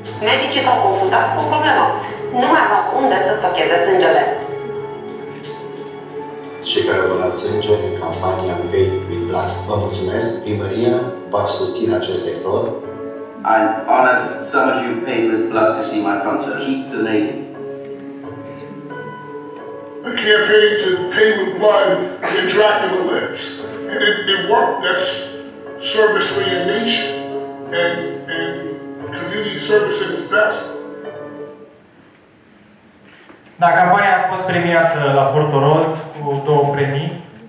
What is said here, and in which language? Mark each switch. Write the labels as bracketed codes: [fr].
[ro] Medicii s-au confundat cu o problemă. Nu mai aveau unde să stocheze sângele. Cei care vă dat sânge în campania Pay with Blood. Vă mulțumesc, primăria va susține acest sector. [en] I'm honored some of you paid with blood to see my concert. Keep donating. The campaign to pay with blood in Dracula lives. And it worked. That's service for your nation and community service at its best. [ro] Da, campania a fost premiată la Porto Rost cu două premii.